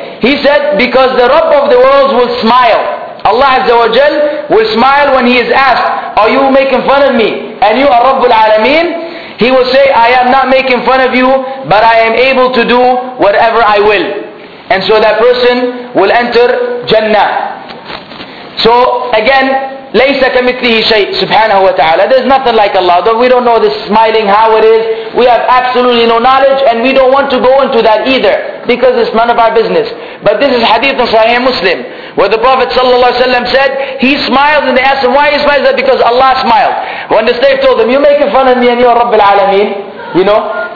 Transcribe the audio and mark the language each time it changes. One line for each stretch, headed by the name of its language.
English: He said, "Because the Rabb of the worlds will smile. Allah Azza wa Jal will smile when he is asked, 'Are you making fun of me? And you are Rabbul Alameen?' He will say, 'I am not making fun of you, but I am able to do whatever I will.'" And so that person will enter Jannah. So again,
Arabic: لَيْسَ كَمِثْلِهِ شَيْءٍ سُبْحَانَهُ وَتَعَالَى.
English: There's nothing like Allah. Though we don't know this smiling how it is, we have absolutely no knowledge, and we don't want to go into that either, because it's none of our business. But this is hadith in Sahih Muslim, where the Prophet ﷺ said, he smiled, and they asked him, "Why he smiled?" That because Allah smiled. When the slave told him, "You're making fun of me, and you're Rabbil Alameen," you know.